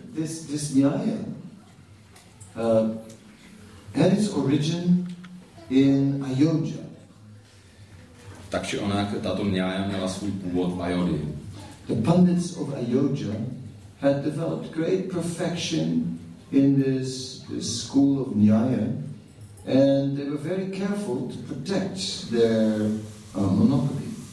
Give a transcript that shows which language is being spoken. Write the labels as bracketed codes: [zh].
[en] this nyaya had its origin in Ayodhya. [cs] Takže ona tato nyaya měla svůj původ v Ayodhya. [en] The pundits of Ayodhya had developed great perfection in this school of nyaya, and they were very careful to protect their monopoly.